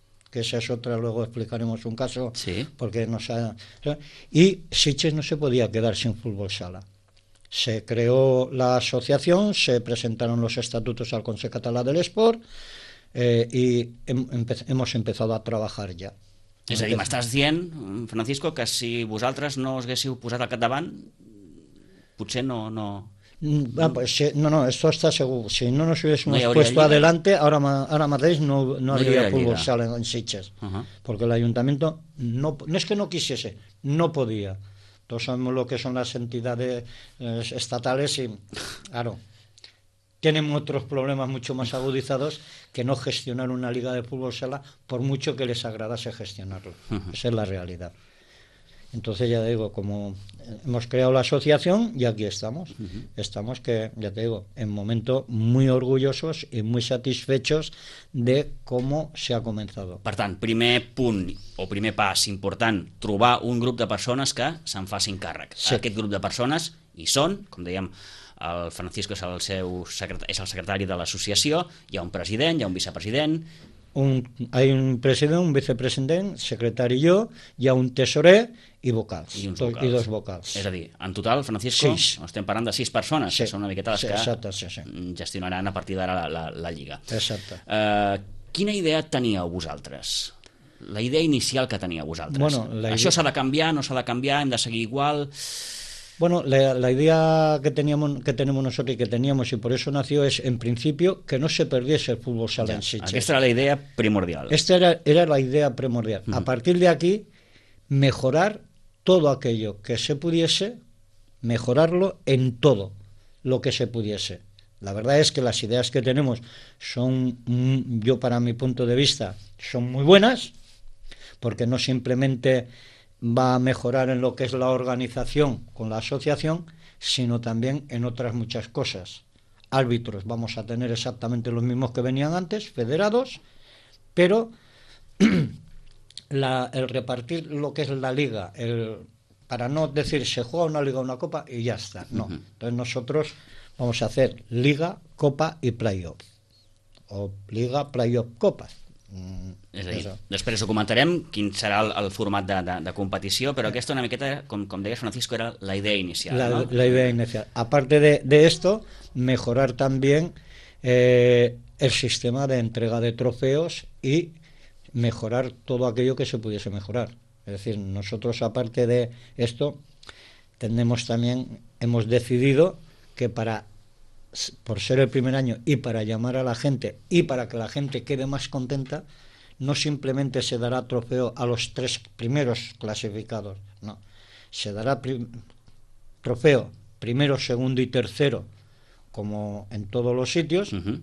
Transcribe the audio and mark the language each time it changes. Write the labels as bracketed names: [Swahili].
[Spanish] que esa es otra, luego explicaremos un caso, sí. Porque no se ha... Y Sitges no se podía quedar sin fútbol sala. Se creó la asociación, se presentaron los estatutos al Consejo Català del Esport y hemos empezado a trabajar ya. [Catalan] És a dir, m'estàs dient, Francisco, que si vosaltres no us haguéssiu posat al capdavant, potser no... [Spanish] Ah, pues sí, no, esto está seguro. Si no nos hubiésemos puesto adelante, ahora mateix no habría fútbol sala en Sitges. Uh-huh. Porque el ayuntamiento no es que no quisiese, no podía. Todos sabemos lo que son las entidades estatales y, claro, tienen otros problemas mucho más agudizados que no gestionar una liga de fútbol sala, por mucho que les agradase gestionarlo. Uh-huh. Esa es la realidad. Entonces, ya digo, como hemos creado la asociación y aquí estamos. Uh-huh. Estamos, que ya te digo, en momento muy orgullosos y muy satisfechos de cómo se ha comenzado. [Catalan] Per tant, primer punt o primer pas important, trobar un grup de persones que se'n facin càrrec. Sí. Aquest grup de persones hi són, com dèiem, el Francisco és el secretari de l'associació, hi ha un president, hi ha un vicepresident... [Spanish] Hay un [Catalan] president, un vicepresident, secretari i jo, hi ha un tesorer i vocals. I uns vocals. I dos vocals. És a dir, en total, Francisco, sis. Estem parlant de sis persones, sí. Que són una miqueta les sí, que exacte, sí, sí. Gestionaran a partir d'ara la Lliga. Exacte. Quina idea teníeu vosaltres? La idea inicial que teníeu vosaltres? Bueno, Això s'ha de canviar, no s'ha de canviar, hem de seguir igual... [Spanish] Bueno, la idea que tenemos nosotros y que teníamos y por eso nació es, en principio, que no se perdiese el fútbol sala en Sitges. Esta era la idea primordial. Esta era la idea primordial. Uh-huh. A partir de aquí, mejorar todo aquello que se pudiese, mejorarlo en todo lo que se pudiese. La verdad es que las ideas que tenemos son, yo para mi punto de vista, son muy buenas, porque no simplemente... va a mejorar en lo que es la organización con la asociación, sino también en otras muchas cosas. Árbitros, vamos a tener exactamente los mismos que venían antes, federados, pero el repartir lo que es la liga, para no decir se juega una liga o una copa y ya está, no. Entonces nosotros vamos a hacer liga, copa y playoff, o liga, playoff, copa. [Catalan] És a dir, després ho comentarem quin serà el format de competició, però aquesta una miqueta, com deies Francisco, era la idea inicial, la, no? La idea inicial. [Spanish] Aparte de esto, mejorar también el sistema de entrega de trofeos y mejorar todo aquello que se pudiese mejorar. Es decir, nosotros aparte de esto tenemos también, hemos decidido que para por ser el primer año y para llamar a la gente y para que la gente quede más contenta, no simplemente se dará trofeo a los tres primeros clasificados, no, se dará trofeo primero, segundo y tercero como en todos los sitios. Uh-huh.